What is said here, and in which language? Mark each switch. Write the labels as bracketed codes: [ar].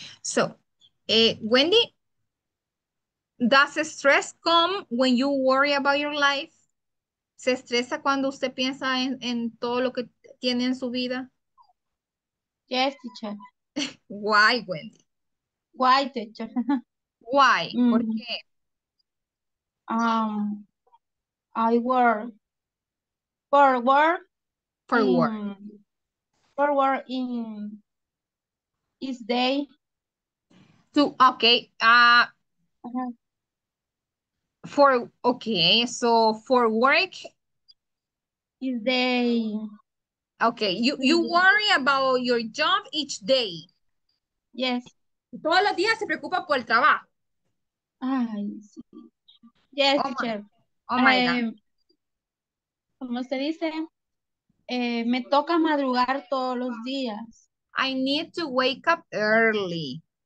[en] So, Wendy, does stress come when you worry about your life? [es] ¿Se estresa cuando usted piensa en todo lo que tiene en su vida? [en] Yes, teacher. Why, Wendy? Why, teacher? Why? Mm-hmm. [es] ¿Por qué? [en] I work for work. For in, work. For work in each day. So, okay. For okay, so for work each day. Okay, you worry about your job each day. Yes. [es] Todos los días se preocupa por el trabajo. Ay, sí. [en] Yes, teacher. Oh my god. [es] ¿Cómo se dice? Me toca madrugar todos los días. [en] I need to wake up early.